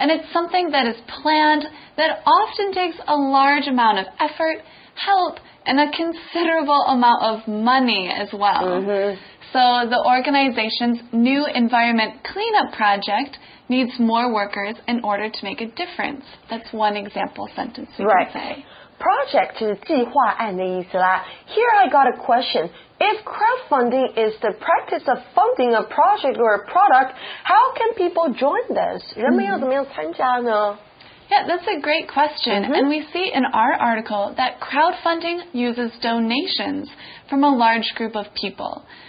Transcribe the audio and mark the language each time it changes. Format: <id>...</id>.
<en>And it's something that is planned that often takes a large amount of effort, help, and a considerable amount of money as well.、 Mm-hmm. So the organization's new environment cleanup project needs more workers in order to make a difference. That's one example sentence you、 right. can say.</en> <zh>Project 就是计划案的意思啦。</zh> <en>Here I got a question. If crowdfunding is the practice of funding a project or a product, how can people join this?</en> <zh>人们要怎么样参加呢？</zh> <en>Yeah, that's a great question.、Mm-hmm. And we see in our article that crowdfunding uses donations from a large group of people.</en>